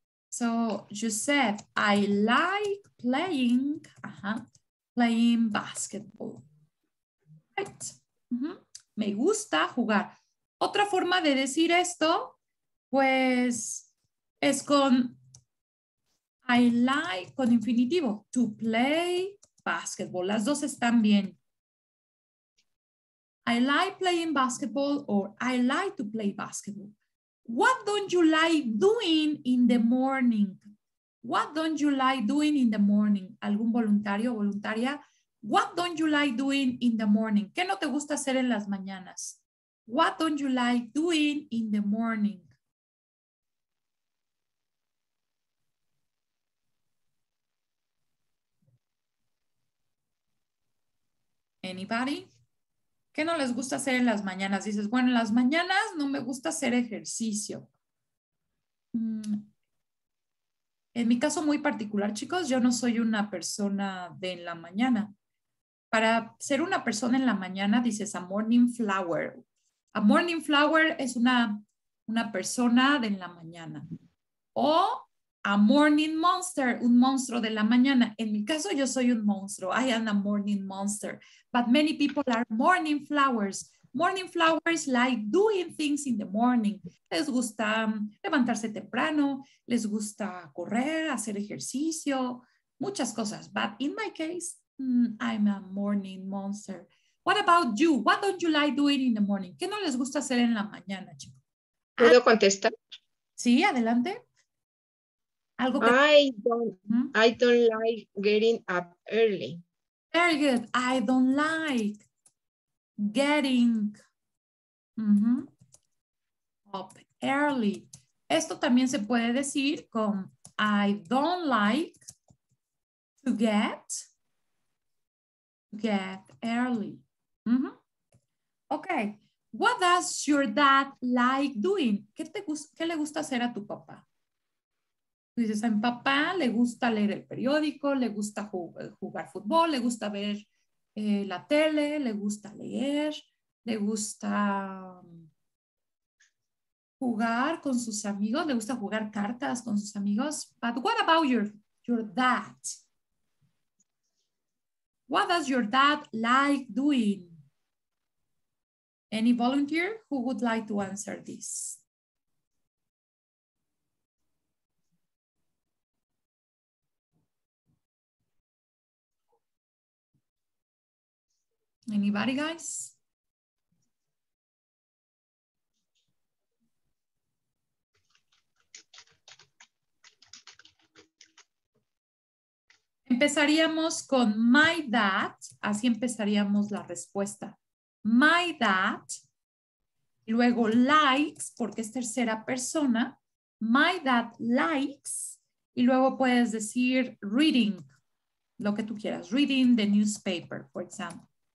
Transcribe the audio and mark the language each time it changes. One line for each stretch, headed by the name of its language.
English: So you said I like playing playing basketball. Right.
Spanish: Mm-hmm. Me gusta jugar. Otra forma de decir esto, pues, es con I like, con infinitivo,
English: to play basketball.
Spanish: Las dos están bien.
English: I like playing basketball or I like to play basketball. What don't you like doing in the morning? What don't you like doing in the morning?
Spanish: ¿Algún voluntario o voluntaria?
English: What don't you like doing in the morning?
Spanish: ¿Qué no te gusta hacer en las mañanas?
English: What don't you like doing in the morning? Anybody?
Spanish: ¿Qué no les gusta hacer en las mañanas? Dices, bueno, en las mañanas no me gusta hacer ejercicio. En mi caso muy particular, chicos, yo no soy una persona de en la mañana. Para ser una persona en la mañana, dices,
English: a morning flower. A morning flower
Spanish: es una persona de en la mañana. O
English: a morning monster,
Spanish: un monstruo de la mañana. En mi caso, yo soy un monstruo.
English: I am a morning monster. But many people are morning flowers. Morning flowers like doing things in the morning.
Spanish: Les gusta levantarse temprano. Les gusta correr, hacer ejercicio. Muchas cosas.
English: But in my case, I'm a morning monster. What about you? What don't you like doing in the morning?
Spanish: ¿Qué no les gusta hacer en la mañana, chico? ¿Puedo contestar? Sí, adelante. ¿Algo que...
English: I don't like getting up early. Very good. I don't like getting up early.
Spanish: Esto también se puede decir con
English: I don't like to get early. Okay. What does your dad like doing?
Spanish: ¿Qué le gusta hacer a tu papá? Tú dices, a mi papá le gusta leer el periódico, le gusta jugar fútbol, le gusta ver la tele, le gusta leer, le gusta jugar con sus amigos, le gusta jugar cartas con sus amigos.
English: But what about your dad? What does your dad like doing? Any volunteer who would like to answer this? Anybody, guys?
Spanish: Empezaríamos con
English: my dad,
Spanish: así empezaríamos la respuesta.
English: My dad,
Spanish: luego likes, porque es tercera persona.
English: My dad likes,
Spanish: y luego puedes decir reading, lo que tú quieras.
English: Reading the newspaper, for example.